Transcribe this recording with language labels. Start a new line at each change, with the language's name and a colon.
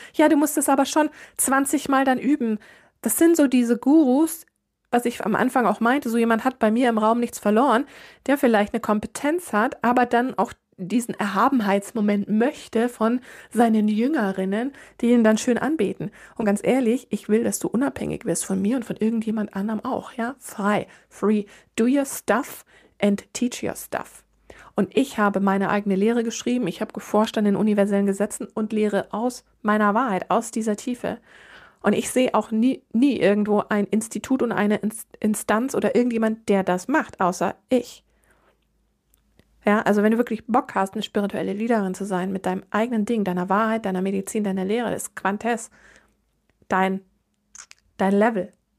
German: Ja, du musst es aber schon 20 Mal dann üben. Das sind so diese Gurus, was ich am Anfang auch meinte, so jemand hat bei mir im Raum nichts verloren, der vielleicht eine Kompetenz hat, aber dann auch diesen Erhabenheitsmoment möchte von seinen Jüngerinnen, die ihn dann schön anbeten. Und ganz ehrlich, ich will, dass du unabhängig wirst von mir und von irgendjemand anderem auch, ja?
English: Frei, free, do your stuff and teach your stuff.
German: Und ich habe meine eigene Lehre geschrieben, ich habe geforscht an den universellen Gesetzen und lehre aus meiner Wahrheit, aus dieser Tiefe. Und ich sehe auch nie irgendwo ein Institut und eine Instanz oder irgendjemand, der das macht, außer ich. Ja, also wenn du wirklich Bock hast, eine spirituelle Leaderin zu sein mit deinem eigenen Ding, deiner Wahrheit, deiner Medizin, deiner Lehre, das Quantess, dein Level.